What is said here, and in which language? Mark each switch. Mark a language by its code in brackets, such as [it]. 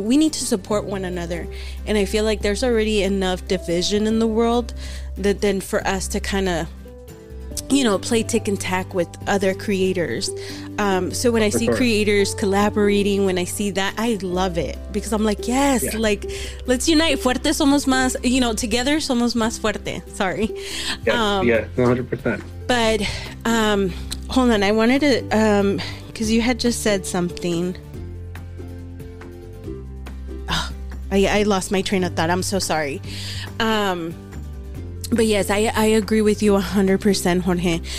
[en] We need to support one another. And I feel like there's already enough division in the world that then for us to kind of, you know, play tick and tack with other creators. So when I see creators collaborating, when I see that, I love it, because I'm like, yes, like let's unite. [es] Fuerte somos más, [en] you know, together [es] somos más fuerte. [en] Sorry. Yeah, 100%. But hold on. I wanted to, because you had just said something. Oh, I lost my train of thought. I'm so sorry. But yes, I agree with you 100%, Jorge.